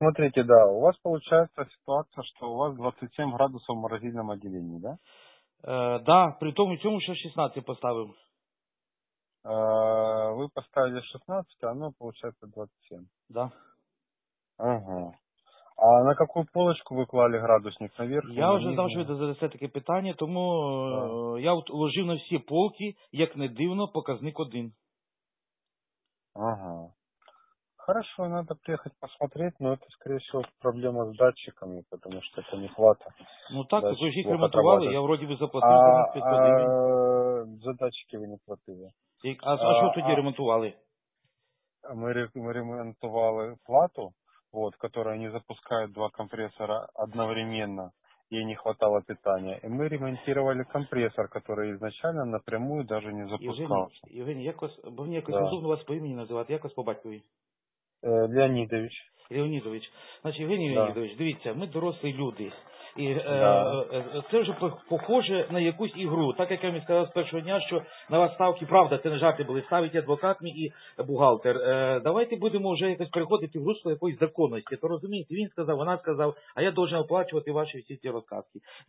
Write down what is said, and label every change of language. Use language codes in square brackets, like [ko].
[ru] Смотрите, да, у вас получается ситуация, что у вас 27 градусов в морозильном отделении, да? Да, при том, что мы еще 16 поставим. Вы поставили 16, а оно получается 27. Да. Ага. А на какую полочку вы клали градусник? Наверх? [uk] Я уже знав, що ви задасте таке питання, тому я от вложив на всі полки, як не дивно, показник один. [ru] Ага. Хорошо, надо приехать посмотреть, но это, скорее всего, проблема с датчиками, потому что это не хвата. Ну так, вы же их ремонтировали, я вроде бы заплатил за 25 гривен. За датчики вы не платили. А что тогда ремонтировали? Мы ремонтировали плату, вот, которая не запускает два компрессора одновременно, ей не хватало питания. И мы ремонтировали компрессор, который изначально напрямую даже не запускал. Евгений, вы мне как-то удобно вас по имени называть, как вас по батькові? Леонидович. Леонидович. [uk] Значить, Євгеній Леонідович, дивіться, ми дорослі люди. І це вже похоже на якусь ігру. Так, як я мені сказав з першого дня, що на вас ставки, правда, це не жарти були, ставить адвокат мій і бухгалтер. Давайте будемо вже якось переходити в русло якоїсь законності. То розумієте, він сказав, вона сказав, а я должен оплачувати ваші всі ці розказки.